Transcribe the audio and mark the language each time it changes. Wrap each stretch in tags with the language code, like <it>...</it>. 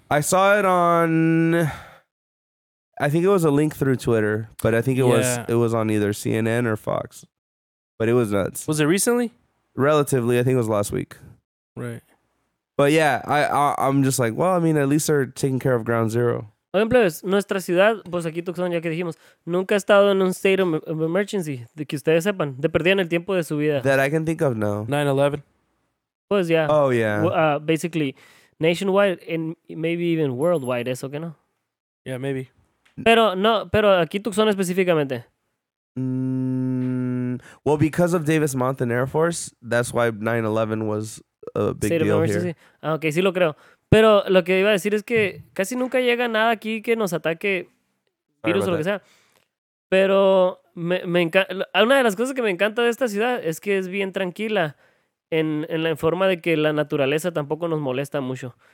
<en>I saw it on... I think it was a link through Twitter. But I think it was on either CNN or Fox. But it was nuts. Was it recently? Relatively, I think it was last week. Right. But yeah, I'm just like, well, I mean, at least they're taking care of ground zero.</en> <es>Oigan, plebes, nuestra ciudad, pues aquí Tucson, ya que dijimos, nunca ha estado en un</es> <en>state of emergency,</en> <es>de que ustedes sepan, de perdían el tiempo de su vida.</es> <en>That I can think of, no. 9/11.</en> <es>Pues,</es> <en>yeah. Oh, yeah. Basically, nationwide and maybe even worldwide,</en> <es>eso que no.</es> <en>Yeah, maybe.</en> <es>Pero aquí Tucson específicamente.</es> <en>Well, because of Davis Monthan Air Force, that's why 9/11 was a big deal here.</en> <es>Sí. Ah, okay, sí lo creo. Pero lo que iba a decir es que casi nunca llega nada aquí que nos ataque virus o lo que sea. Pero me encanta. Una de las cosas que me encanta de esta ciudad es que es bien tranquila en la forma de que la naturaleza tampoco nos molesta mucho.</es>